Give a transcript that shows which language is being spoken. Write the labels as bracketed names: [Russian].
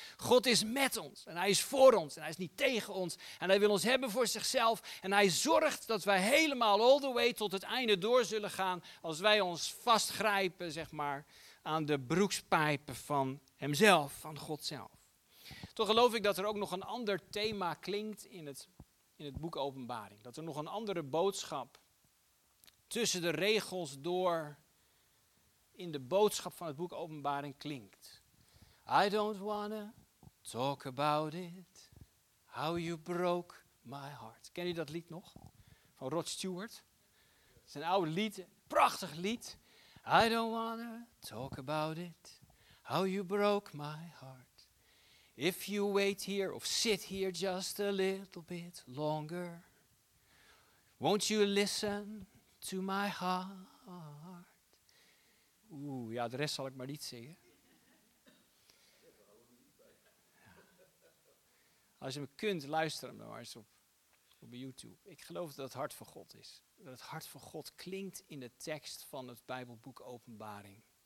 [Dutch] God is met ons en hij is voor ons en hij is niet tegen ons. En hij wil ons hebben voor zichzelf en hij zorgt dat wij helemaal [English] all the way [Dutch] tot het einde door zullen gaan als wij ons vastgrijpen, zeg maar, aan de broekspijpen van hemzelf, van God zelf. Toch geloof ik dat er ook nog een ander thema klinkt in het boek Openbaring. Dat er nog een andere boodschap tussen de regels door in de boodschap van het boek Openbaring klinkt. [English] I don't wanna talk about it. How you broke my heart. [Dutch] Ken je dat lied nog? Van Rod Stewart. Het is een oude lied. Prachtig lied. [English] I don't wanna talk about it. How you broke my heart. If you wait here, or sit here just a little bit longer, won't you listen to my heart? [Dutch] Oeh, ja, de rest zal ik maar niet zingen. Als je me kunt, luister hem dan maar eens op YouTube. Ik geloof dat het hart van God is. Dat het hart van God klinkt in de tekst van het Bijbelboek Openbaring.